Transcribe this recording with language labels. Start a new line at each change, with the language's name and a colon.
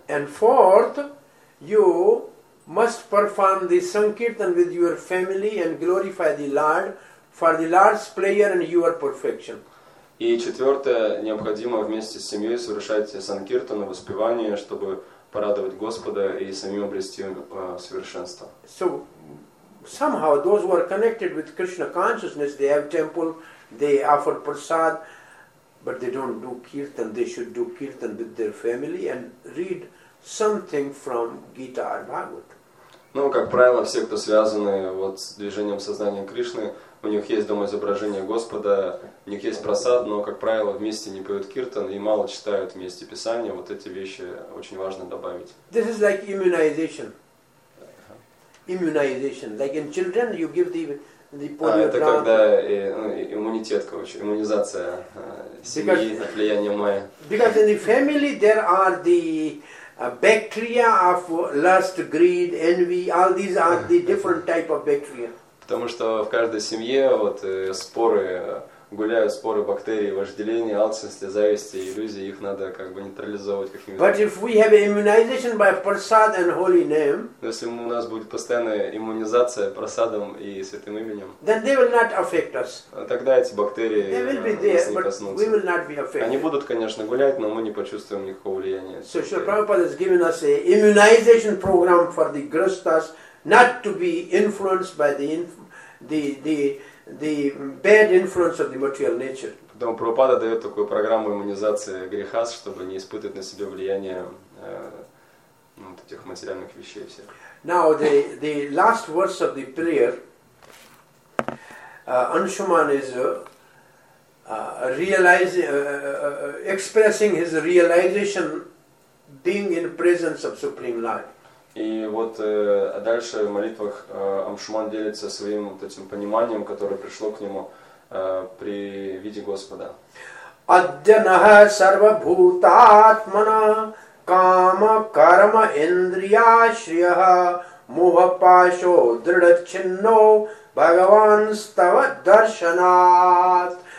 English: And fourth, you must perform the sankirtan with your family and glorify the Lord for the Lord's pleasure and your perfection.
Russian: И четвертое, необходимо вместе с семьей совершать санкиртан, воспевание, чтобы порадовать Господа и самим обрести совершенство.
English: So somehow those who are connected with Krishna consciousness, they have temple, they offer prasad, but they don't do kirtan. They should do kirtan with their family and read something from Gita or Bhagavad.
Russian: Ну, как правило, все, кто связаны вот с движением сознания Кришны, у них есть дома изображение Господа, у них есть прасад, но, как правило, вместе не поют киртан и мало читают вместе Писание. Вот эти вещи очень важно добавить.
English: This is like immunization. Immunization. Like in children, you give the polio
Russian: это drug. Когда иммунитет, короче, иммунизация семьи от влияния Майя.
English: Because in the family there are the bacteria of lust, greed, envy, all these are the different type of bacteria.
Russian: Потому что в каждой семье вот споры гуляют, споры бактерий, вожделения, алчности, зависти, иллюзии, их надо как бы нейтрализовывать каким-то.
English: But if we have immunization by prasad and holy name,
Russian: если у нас будет постоянная иммунизация прасадом и святым именем,
English: then they will not affect us.
Russian: Тогда эти бактерии
English: they will be there,
Russian: нас не коснутся.
English: We will not be affected.
Russian: Они будут, конечно, гулять, но мы не почувствуем никакого влияния.
English: So Srila Prabhupada has given us an immunization program for the grihasthas not to be influenced by the bad influence of the material nature.
Russian: Поэтому Прабхупада дает такую программу иммунизации греха, чтобы не испытывать на себе влияние вот этих материальных вещей всех.
English: Now the last words of the prayer, Anshuman is expressing his realization being in presence of Supreme Lord.
Russian: И вот дальше в молитвах Амшуман делится своим вот этим пониманием, которое пришло к нему при виде Господа.
Sanskrit: Адьянаха сарвабхутаатмана кама карма индрия шриха муха пашо дридачинно Бхагаван става даршанат.